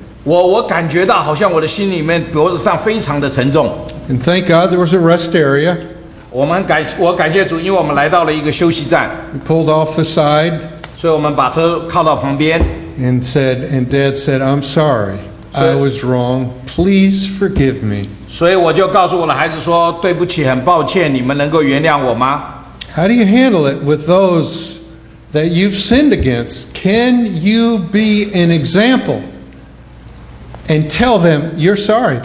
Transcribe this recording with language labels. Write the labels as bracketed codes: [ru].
[zh] 我感觉到好像我的心里面脖子上非常的沉重。 [en] And thank God there was a rest area. [zh] 我感谢主，因为我们来到了一个休息站。 [en] We pulled off the side. [zh] 所以我们把车靠到旁边。 [en] And Dad said, I'm sorry. I was wrong. Please forgive me. [zh] 所以我就告诉我的孩子说，对不起，很抱歉，你们能够原谅我吗？ [en] How do you handle it with those that you've sinned against? Can you be an example and tell them you're sorry?